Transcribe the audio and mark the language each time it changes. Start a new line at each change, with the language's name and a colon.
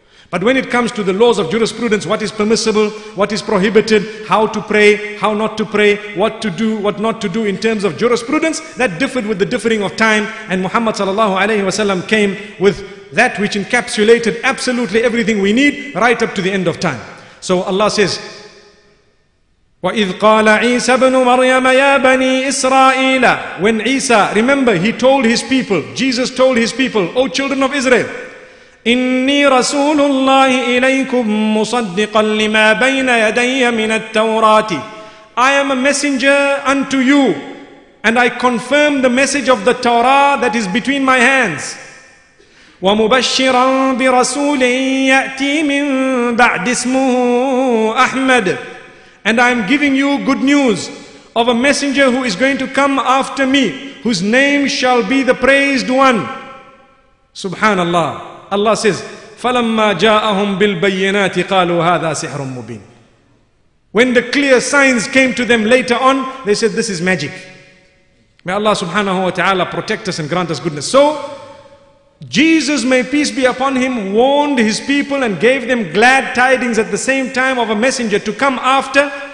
English: But when it comes to the laws of jurisprudence, what is permissible, what is prohibited, how to pray, how not to pray, what to do, what not to do in terms of jurisprudence, that differed with the differing of time. And Muhammad sallallahu alayhi wa sallam came with that which encapsulated absolutely everything we need right up to the end of time. So Allah says,
Arabic: وَإِذْ قَالَ عِيسَى بْنُ مَرْيَمَ يَا بَنِي إِسْرَائِيلَ.
English: When Isa, remember, he told his people, Jesus told his people, O children of Israel,
Arabic: إِنِّي رَسُولُ اللَّهِ إِلَيْكُمْ مُصَدِّقًا لِمَا بَيْنَ يَدَيَّ مِنَ التَّوْرَاتِ.
English: I am a messenger unto you, and I confirm the message of the Torah that is between my hands.
Arabic: وَمُبَشِّرًا بِرَسُولٍ يَأْتِي مِن بَعْدِ اسْمُهُ أَحْمَدٍ.
English: And I am giving you good news of a messenger who is going to come after me, whose name shall be the praised one. Subhanallah. Allah says,
Arabic: فَلَمَّا جَاءَهُمْ بِالْبَيِّنَاتِ قَالُوا هَذَا سِحْرٌ مُبِينٌ.
English: When the clear signs came to them later on, they said, this is magic. May Allah subhanahu wa ta'ala protect us and grant us goodness. So, Jesus, may peace be upon him, warned his people and gave them glad tidings at the same time of a messenger to come after.